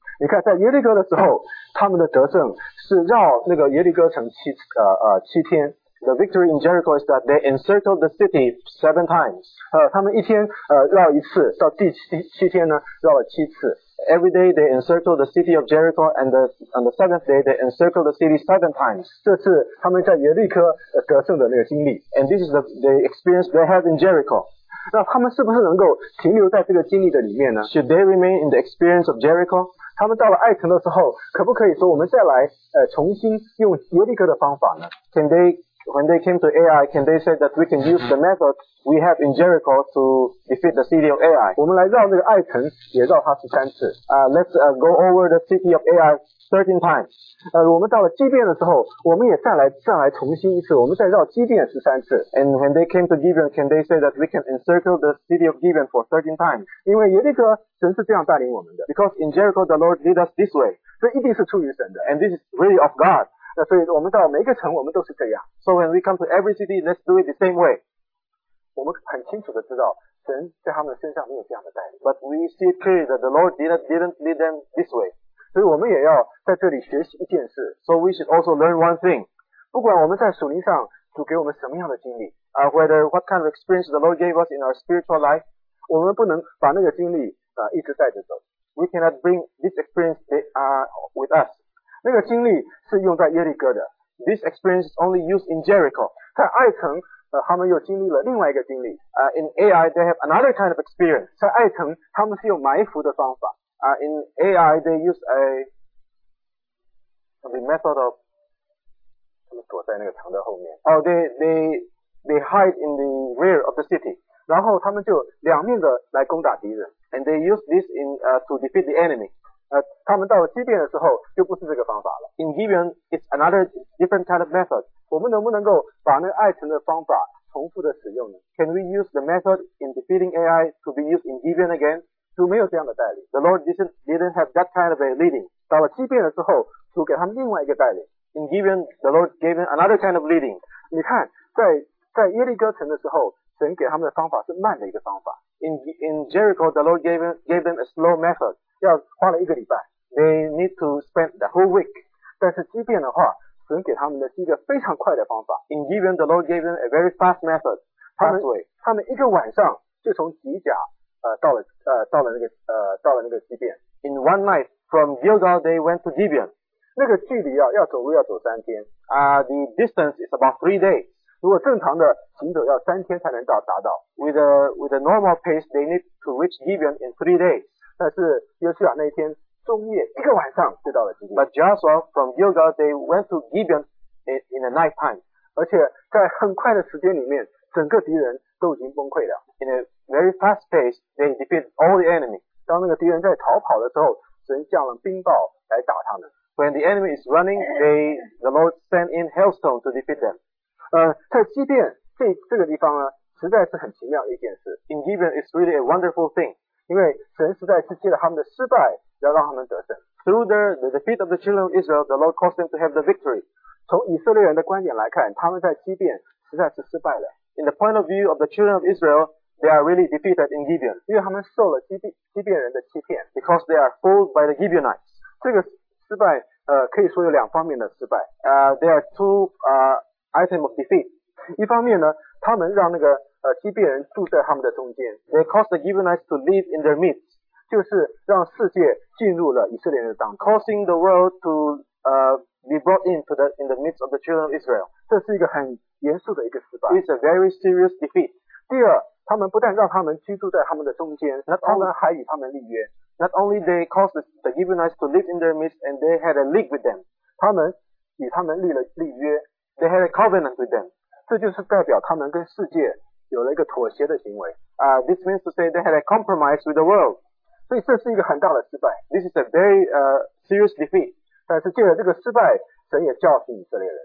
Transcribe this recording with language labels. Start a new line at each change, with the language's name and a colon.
Chinese: 你看，在耶利哥的时候，他们的得胜是绕那个耶利哥城七天。
English: The victory in Jericho is that they encircled the city seven times.
Chinese: 他们一天绕一次，到第七天呢绕了七次。
English: Every day they encircled the city of Jericho, and on the seventh day they encircled the city seven times.
Chinese: 这是他们在耶利哥得胜的那个经历。
English: And this is the experience they had in Jericho.
Chinese: 那他们是不是能够停留在这个经历的里面呢？
English: Should they remain in the experience of Jericho?
Chinese: 他们到了爱城的时候，可不可以说我们再来重新用耶利哥的方法呢？
English: Can they? When they came to Ai, can they say that we can use the method we have in Jericho to defeat the city of Ai?
Chinese: 我们来绕那个爱城，也绕它十三次。
English: Let's go over the city of Ai 13 times.
Chinese: 我们到了基甸的时候，我们也再来重新一次，我们再绕基甸十三次。
English: And when they came to Gibeon, can they say that we can encircle the city of Gibeon for 13 times?
Chinese: 因为耶利哥神是这样带领我们的。
English: Because in Jericho, the Lord lead us this way.
Chinese: 这一定是出于神的。
English: And this is really of God.
Chinese: 所以我们到每个城我们都是这样。
English: So when we come to every city, let's do it the same way.
Chinese: 我们很清楚的知道神在他们身上没有这样的带领。
English: But we see clearly that the Lord didn't lead them this way.
Chinese: 所以我们也要在这里学习一件事。
English: So we should also learn one thing.
Chinese: 不管我们在属灵上主给我们什么样的经历。
English: Whether what kind of experience the Lord gave us in our spiritual life,
Chinese: 我们不能把那个经历一直带着走。
English: We cannot bring this experience with us.
Chinese: 那个经历是用在耶利哥的。
English: This experience is only used in Jericho.
Chinese: 在爱城他们又经历了另外一个经历。
English: In Ai, they have another kind of experience.
Chinese: 在爱城他们是用埋伏的方法。
English: In Ai, they use the method of
Chinese: 他们躲在那个城的后面。
English: Oh, they hide in the rear of the city.
Chinese: 然后他们就两面的来攻打敌人。
English: And they use this to defeat the enemy.
Chinese: 他们到了基甸的时候就不是这个方法了。
English: In Gibeon, it's another different kind of method.
Chinese: 我们能不能够把那个爱城的方法重复的使用呢？
English: Can we use the method in defeating Ai to be used in Gibeon again?
Chinese: 主没有这样的带领。
English: The Lord didn't have that kind of a leading.
Chinese: 到了基甸的时候，主给他们另外一个带领。
English: In Gibeon, the Lord gave him another kind of leading.
Chinese: 你看，在耶利哥城的时候，神给他们的方法是慢的一个方法。
English: In Jericho, the Lord gave them a slow method.
Chinese: 要花了一个礼拜。
English: They need to spend the whole week.
Chinese: 但是基甸的话，神给他们的是一个非常快的方法。
English: In Gibeon, the Lord gave them a very fast method.
Chinese: 他们一个晚上就从吉甲到了那个基甸。
English: In one night from Gilgal, they went to Gibeon.
Chinese: 那个距离要走路要走三天。
English: The distance is about 3 days.
Chinese: 如果正常的行走要三天才能达到。
English: With a normal pace, they need to reach Gibeon in 3 days.
Chinese: 但是约书亚那一天终夜一个晚上就到了基甸。
English: But Joshua from Gilgal they went to Gibeon in the night time.
Chinese: 而且在很快的时间里面，整个敌人都已经崩溃了。
English: In a very fast pace they defeat all the enemy.
Chinese: 当那个敌人在逃跑的时候，神降了冰雹来打他们。
English: When the enemy is running, the Lord sent in hailstone to defeat them.
Chinese: 在基甸这个地方呢，实在是很奇妙一件事。
English: In Gibeon it's really a wonderful thing.
Chinese: 因为神实在是借了他们的失败，要让他们得胜。
English: Through the defeat of the children of Israel, the Lord caused them to have the victory.
Chinese: 从以色列人的观点来看，他们在基甸实在是失败了。
English: In the point of view of the children of Israel, they are really defeated in Gibeon.
Chinese: 因为他们受了基甸人的欺骗。
English: Because they are fooled by the Gibeonites.
Chinese: 这个失败可以说有两方面的失败。
English: There are two items of defeat.
Chinese: 一方面呢，他们让那个基甸人住在他们的中间。
English: They caused the Gibeonites to live in their midst.
Chinese: 就是让世界进入了以色列人的当中。
English: Causing the world to be brought in the midst of the children of Israel.
Chinese: 这是一个很严肃的一个失败。
English: It's a very serious defeat.
Chinese: 第二，他们不但让他们居住在他们的中间，他们还与他们立约。
English: Not only they caused the Gibeonites to live in their midst and they had a league with them.
Chinese: 他们与他们立约。
English: They had a covenant with them.
Chinese: 这就是代表他们跟世界有了一个妥协的行为。
English: This means to say they had a compromise with the world.
Chinese: 所以这是一个很大的失败。
English: This is a very serious defeat.
Chinese: 但是借了这个失败，神也教训以色列人。